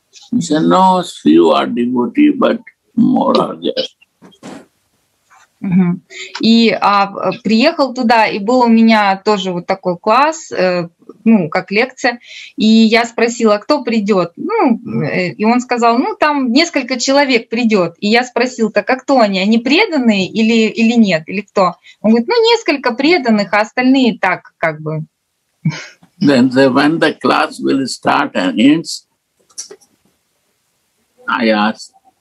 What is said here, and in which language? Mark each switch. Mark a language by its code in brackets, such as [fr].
[en] He said, no, few are devotee, but more are guests. [ru] И приехал туда, и был у меня тоже вот такой класс, как лекция. И я спросила, кто придет. И он сказал, там несколько человек придет. И я спросила, так а кто они? Они преданные или нет? Или кто? Он говорит, несколько преданных, а остальные так как бы. [en] Then the, when the class will start and ends, I asked.